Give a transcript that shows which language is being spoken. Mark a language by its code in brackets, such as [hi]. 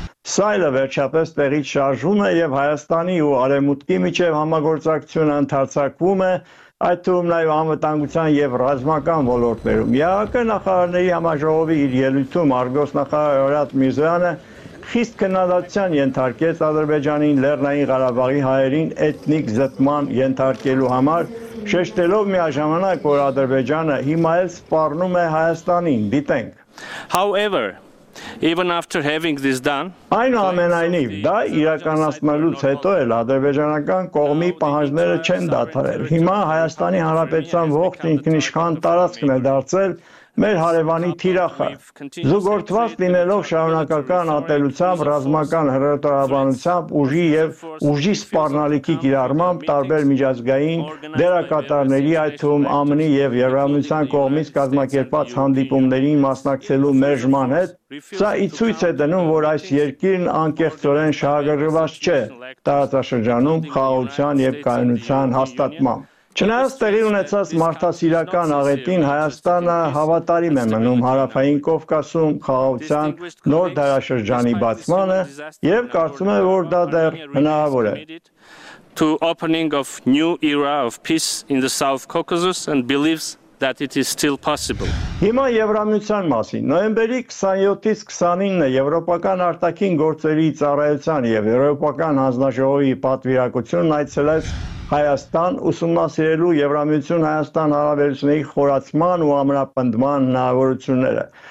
[hy] Սայլը վերջապես տեղից շարժվում է և Հայաստանի ու Արևմուտքի միջև համագործակցությունը ընդարձակվում է, այդ թվում նաև անվտանգության և ռազմական ոլորտներում։ ԵԱԿ նախարարների համաժողովի իր ելույթում արտգործ նախարար Արարատ Միրզոյանը խիստ քննադատության ենթարկեց Ադրբեջանին Լեռնային Ղարաբաղի հայերին էթնիկ զտման ենթարկելու համար, շեշտելով միաժամանակ, որ Ադրբեջանը հիմա էլ սպառնում է Հայաստանին։ Դիտենք։ [en] However, even after having this done, [hy] այնուամենայնիվ, դա իրականացնելուց հետո էլ ադրբեջանական կողմի պահանջները չեն դադարել։ Հիմա Հայաստանի Հանրապետության ողջ ինքնիշխան տարածքն է դարձել մեր հարևանի թիրախը, զուգորդված լինելով շարունակական ատելությամբ, ռազմական հրատարակությամբ, ուժի և ուժի սպառնալիքի կիրառմամբ տարբեր միջազգային դերակատարների, այդ թվում ԱՄՆ-ի և Եվրամիության կողմից կազմակերպած հանդիպումներին մասնակցելու մերժման հետ, սա ի ցույց է դնում, որ այս երկիրն անկեղծորեն շահագրգռված չէ տարածաշրջանում խաղաղության և կայունության հաստատմամբ։ Չնայած տեղի ունեցած մարդասիրական աղետին, Հայաստանը հավատարիմ է մնում Հարավային Կովկասում խաղաղության նոր դարաշրջանի բացմանը և կարծում է, որ դա դեռ հնարավոր է։ [en] To opening of new era of peace in the South Caucasus and believes that it is still possible. [hy] Հիմա Եվրամիության մասին։ Նոյեմբերի 27-ից 29-ը Եվրոպական արտաքին գործերի ծառայության և Եվրոպական հանձնաժողովի պատվիրակությունն այցելեց Հայաստան, ուսումնասիրելու Եվրամիություն-Հայաստան հարաբերությունների խորացման ու ամրապնդման հնարավորությունները։